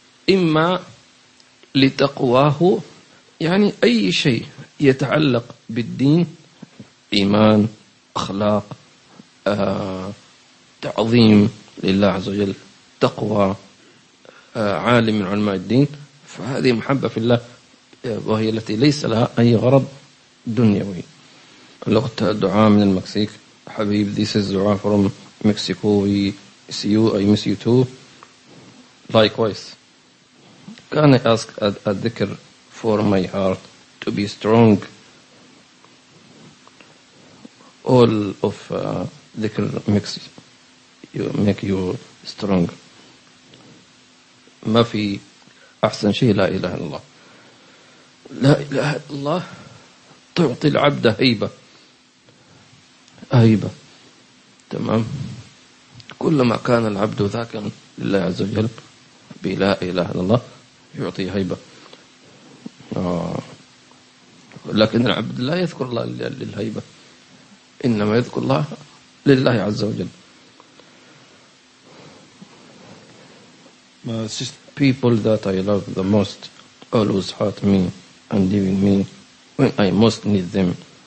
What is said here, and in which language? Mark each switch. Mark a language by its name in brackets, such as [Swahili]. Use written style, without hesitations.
[Arabic] إما لتقواه، يعني أي شيء يتعلق بالدين، إيمان، أخلاق، تعظيم لله عز وجل، تقوى، عالم من علماء الدين، فهذه محبة في الله، وهي التي ليس لها أي غرض دنيوي. الأخت دعاء من المكسيك، حبيب [English] this is [Arabic] دعاء [English] from Mexico. See you, I miss you too. Likewise. Can I ask a dhikr for my heart to be strong? All of dhikr makes you, make you strong. [Arabic] ما في أحسن شيء لا إله إلا الله. لا إله إلا الله تعطي العبد هيبة. تمام؟ كلما كان العبد ذاكرا لله عز وجل بلا إله إلا الله يعطي هيبة. لكن العبد لا يذكر الله للهيبة، إنما يذكر الله لله عز وجل. [English] People that I love the most always hurt me and leaving me when I most need them.